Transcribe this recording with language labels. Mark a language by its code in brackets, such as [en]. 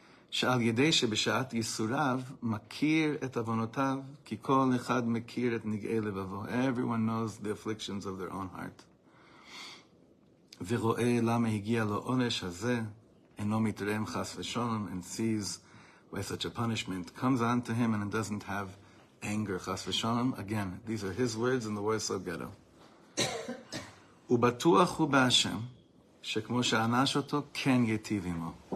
[he] שעל ידי שבשעת ייסוריו מכיר את עוונותיו, כי כל אחד מכיר את נגעי לבבו. [en] Everyone knows the afflictions of their own heart. [he] ורואה למה הגיע לו עונש הזה, אינו מתרם חס ושלום, [en] and sees why such a punishment comes on to him and doesn't have anger, [he] חס ושלום. [en] Again, these are his words in the Warsaw ghetto. [he] ובטוח הוא בהשם, שכמו שענש אותו, כן יטיב עמו.